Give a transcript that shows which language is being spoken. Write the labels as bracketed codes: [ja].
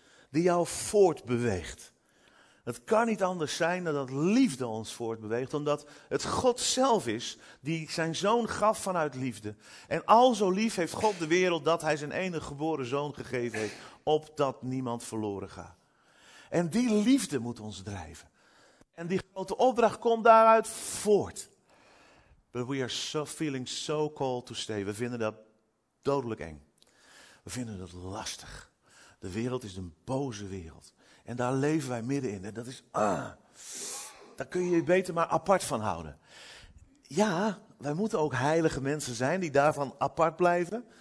[nl] Die jou voortbeweegt. Het kan niet anders zijn dan dat liefde ons voortbeweegt, omdat het God zelf is die zijn zoon gaf vanuit liefde. En al zo lief heeft God de wereld dat hij zijn enige geboren zoon gegeven heeft, opdat niemand verloren gaat. En die liefde moet ons drijven. En die grote opdracht komt daaruit voort. [en] But we are so feeling so called to stay. [nl] We vinden dat dodelijk eng. We vinden dat lastig. De wereld is een boze wereld. En daar leven wij middenin. En dat is, daar kun je je beter maar apart van houden. Ja, wij moeten ook heilige mensen zijn die daarvan apart blijven.